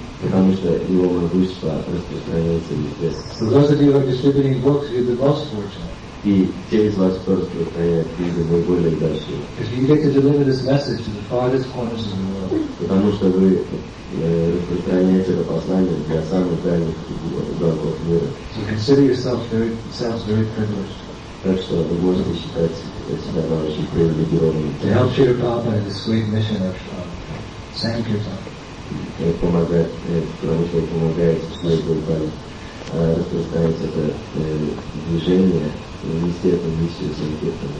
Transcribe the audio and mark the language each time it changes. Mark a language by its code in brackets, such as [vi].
[ru] Потому что его могущество распространяется везде. [en] So those of you who are distributing books, you're the most fortunate. [ru] И те из вас, кто распространяет книги, вы более удачливы. [en] Because you get to deliver this message to the farthest corners of the world. [ru] Потому что вы распространяете это послание для самых дальних уголков мира. [en] So consider yourselves very privileged. [ru] Так что вы можете считать себя очень привилегированным. [en] To help Śrīla Prabhupāda in the sweet mission of Sankirtan. [ru] Потому что помогает Śrīla Prabhupāda распространять это движение, нанести эту миссию Sankirtan.